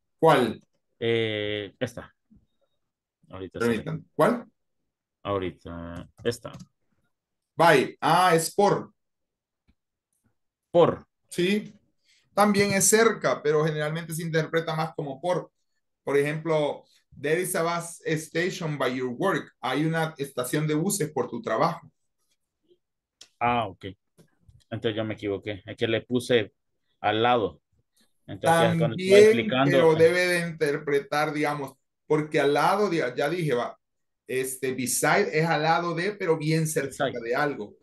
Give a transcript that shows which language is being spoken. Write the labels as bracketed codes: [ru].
[es] ¿Cuál? Esta. Ahorita. Permítanme. ¿Cuál? ahorita, esta. Bye. Ah, es por. Por. Sí. También es cerca, pero generalmente se interpreta más como por. Por ejemplo, [en] there is a bus station by your work. [es] Hay una estación de buses por tu trabajo. Ah, ok. Entonces yo me equivoqué. Es que le puse al lado. Entonces, también, explicando, pero debe de interpretar, digamos, porque al lado, ya dije, va, beside es al lado de, pero bien cerca beside. De algo.